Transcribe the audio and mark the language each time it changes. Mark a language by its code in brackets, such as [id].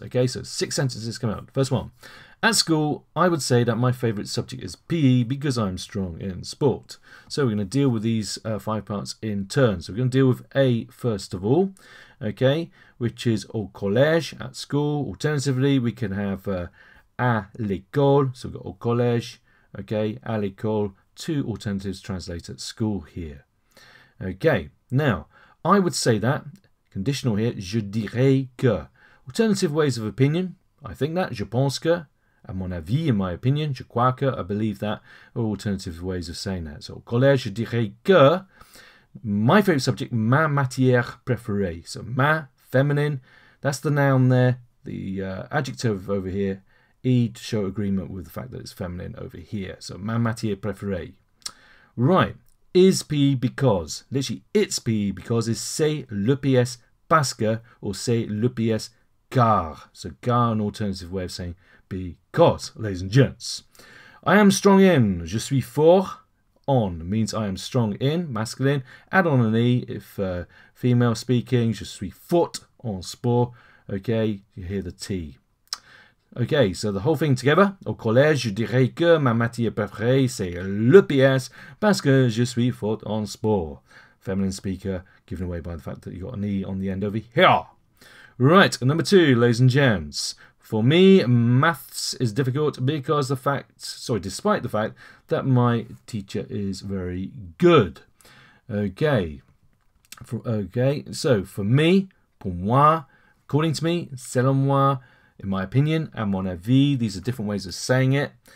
[en] Okay, so six sentences come out. First one. At school, I would say that my favourite subject is PE because I'm strong in sport. So we're going to deal with these five parts in turn. So we're going to deal with A first of all, okay, which is [fr] au collège, [en] at school. Alternatively, we can have [fr] à l'école. [en] So we've got [fr] au collège, [en] okay, [fr] à l'école. [en] Two alternatives translate at school here. Okay, now, I would say that, conditional here, [fr] je dirais que. [en] Alternative ways of opinion, I think that, [fr] je pense que. À mon avis, [en] in my opinion, [fr] je crois que, [en] I believe that, are alternative ways of saying that. So, [fr] au collège, je dirais que, [en] my favorite subject, [fr] ma matière préférée. [en] So, ma, feminine, that's the noun there, the adjective over here, e, to show agreement with the fact that it's feminine over here. So, [fr] ma matière préférée. [en] Right, is PE because, literally, it's PE because, is [fr] c'est le PS parce que, [en] or [fr] c'est le PS car. [en] So, car, an alternative way of saying because, ladies and gents. I am strong in, [fr] je suis fort en, [en] means I am strong in, masculine. Add on an E if female speaking, [fr] je suis fort en sport. [en] Okay, you hear the T. Okay, so the whole thing together. [fr] Au collège, je dirais que ma matière préférée, c'est le PS, parce que je suis fort en sport. [en] Feminine speaker, given away by the fact that you got an E on the end over here. Right, number two, ladies and gents. For me, maths is difficult because the fact, sorry, despite the fact that my teacher is very good. Okay, for me, according to me, [fr] selon moi, [en] in my opinion, [fr] à mon avis, [en] these are different ways of saying it.